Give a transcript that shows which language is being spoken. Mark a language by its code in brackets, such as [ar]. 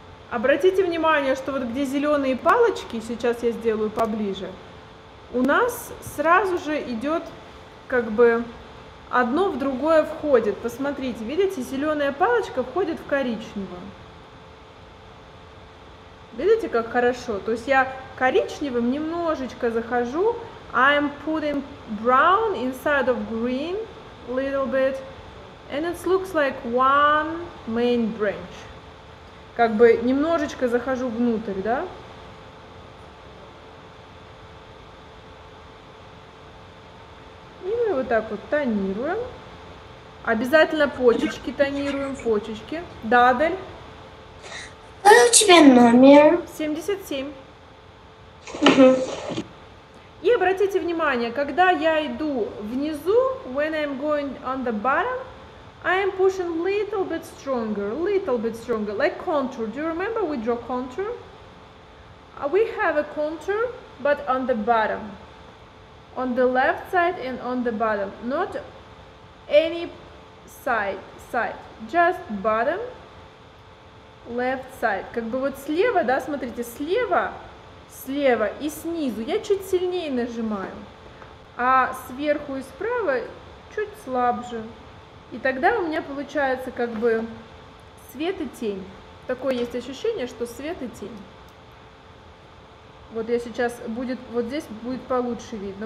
[ru] Обратите внимание, что вот где зеленые палочки, сейчас я сделаю поближе, у нас сразу же идет как бы одно в другое входит. Посмотрите, видите, зеленая палочка входит в коричневую. Видите, как хорошо? То есть я коричневым немножечко захожу. [en] I'm putting brown inside of green a little bit, and it looks like one main branch. [ru] Как бы немножечко захожу внутрь, да? И мы вот так вот тонируем. Обязательно почечки тонируем, почечки. Да, Адель? Какой у тебя номер? 77. И обратите внимание, когда я иду внизу, [en] when I'm going on the bottom, I am pushing little bit stronger, like contour. Do you remember we draw contour? We have a contour, but on the bottom, on the left side and on the bottom, not any side, just bottom, left side. [ru] Как бы вот слева, да, смотрите, слева. Слева и снизу я чуть сильнее нажимаю, а сверху и справа чуть слабже. И тогда у меня получается как бы свет и тень. Такое есть ощущение, что свет и тень. Вот я сейчас будет, вот здесь будет получше видно.